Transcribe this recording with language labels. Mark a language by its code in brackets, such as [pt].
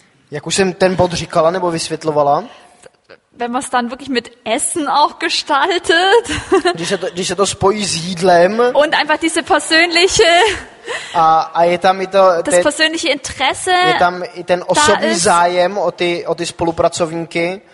[cs] jak už jsem ten bod říkala nebo vysvětlovala, [de] wenn man es dann wirklich mit Essen auch gestaltet, [cs] když se to spojí s jídlem, [de] und einfach diese persönliche, [cs] a je tam i to, [de] das persönliche Interesse, [cs] je tam i ten osobní zájem o ty spolupracovníky.